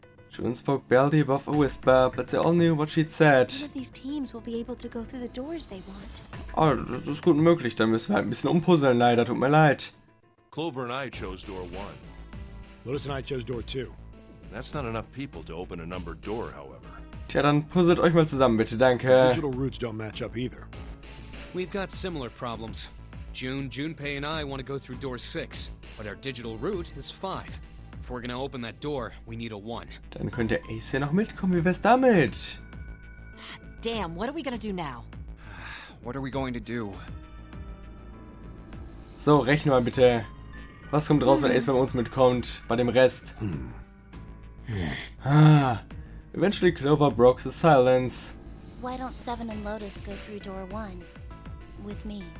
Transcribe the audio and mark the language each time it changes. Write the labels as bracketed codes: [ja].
[en] June spoke barely above a whisper, but they all knew what she'd said. None of these teams will be able to go through the doors they want. [de] Oh, das ist gut möglich. Dann müssen wir ein bisschen umpuzzeln, leider. Tut mir leid. [en] Clover and I chose door 1. Lotus and I chose door 2. That's not enough people to open a numbered door, however. [de] Tja, dann puzzelt euch mal zusammen, bitte, danke. [en] Digital routes don't match up either. We've got similar problems. June, Junpei and I want to go through door 6, but our digital route is 5. If we're gonna open that door, we need a 1. [de] Dann könnte Ace ja noch mitkommen, wie wär's damit? [en] Damn, what are we gonna do now? What are we going to do? [de] So, rechnen wir bitte. Was kommt raus, wenn Ace bei uns mitkommt, bei dem Rest? [en] Eventually Clover broke the silence. Why don't Seven and Lotus go through door 1 with me?